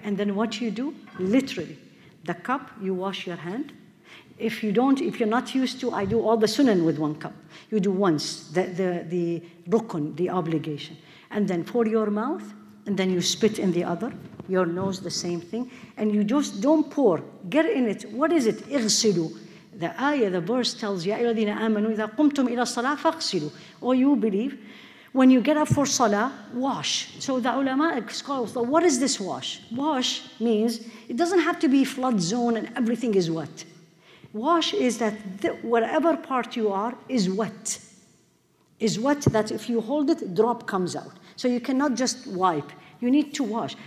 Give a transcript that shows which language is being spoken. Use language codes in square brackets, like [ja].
[en] And then what you do, literally, the cup, you wash your hand. If you don't, if you're not used to, I do all the sunan with one cup. You do once, the rukun, the obligation. And then pour your mouth, and then you spit in the other. Your nose, the same thing. And you just don't pour. Get in it. What is it? اغسلوا. The ayah, the verse tells you, [ar] يَا أَيُّهَا آمَنُوا إِذَا قُمْتُمْ إِلَى الصَّلَاةِ فَاغْسِلُوا. [en] Oh, you believe. When you get up for salah, wash. So the ulama scholars thought, what is this wash? Wash means it doesn't have to be flood zone and everything is wet. Wash is that whatever part you are is wet. Is wet that if you hold it, drop comes out. So you cannot just wipe. You need to wash.